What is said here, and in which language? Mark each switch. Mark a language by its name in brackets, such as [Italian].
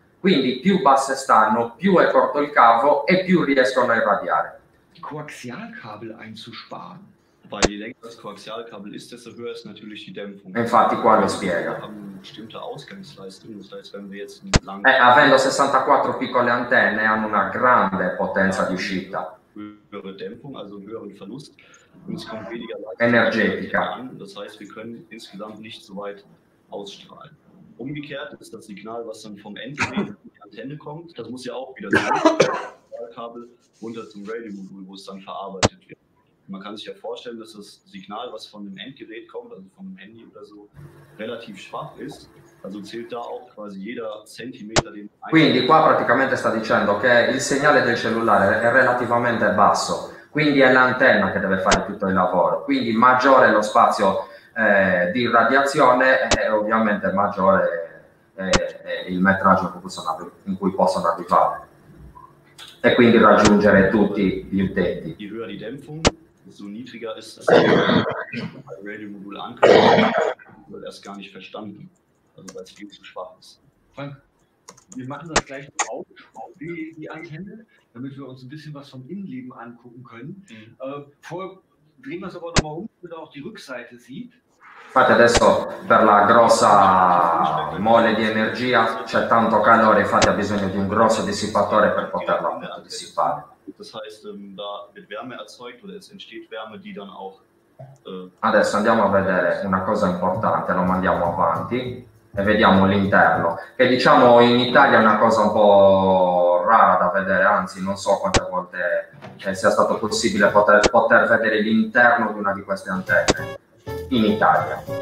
[Italian] Quindi più basse stanno, più è corto il cavo e più riescono a irradiare. [German] Koaxialkabel einzusparen. weil je länger das Koaxialkabel ist, desto höher ist natürlich die Dämpfung. [Italian] Infatti qua lo spiega. [German] Bestimmte Ausgangsleistung, das heißt, wenn wir jetzt [Italian] avendo 64 piccole antenne, hanno una grande potenza di uscita. [German] Höhere Dämpfung, also höheren Verlust, uns kommt weniger [Italian] energetica. [German] Das heißt, wir können insgesamt nicht so weit ausstrahlen. Umgekehrt ist das Signal, was dann vom Endgerät in die Antenne kommt, das muss ja auch wieder zum Koaxialkabel runter zum Radiomodul, wo es dann verarbeitet wird. Man kann sich ja vorstellen, dass das Signal, was von dem Endgerät kommt, also vom Handy oder so, relativ schwach ist. Also zählt da auch quasi jeder Zentimeter, den ein. [Italian] Quindi qua praticamente sta dicendo che il segnale del cellulare è relativamente basso, quindi è l'antenna che deve fare tutto il lavoro. Quindi maggiore lo spazio di radiazione e ovviamente maggiore il metraggio in cui possono arrivare e quindi raggiungere tutti gli utenti. [German] Je höher die Dämpfung, desto niedriger ist das Radiomodul ankommt, wird erst gar nicht verstanden, also weil es viel zu schwach ist. Frank, wir machen das gleich auf die Antenne, damit wir uns ein bisschen was vom Innenleben angucken können. Drehen wir es aber nochmal um, damit auch die Rückseite sieht. [Italian] Infatti adesso per la grossa mole di energia c'è tanto calore, infatti ha bisogno di un grosso dissipatore per poterla dissipare. [German] Das heißt, da wird Wärme erzeugt oder es entsteht Wärme, die dann auch. [Italian] Adesso andiamo a vedere una cosa importante, lo mandiamo avanti e vediamo l'interno. Che diciamo in Italia è una cosa un po' rara da vedere, anzi, non so quante volte sia stato possibile poter vedere l'interno di una di queste antenne. In Italia.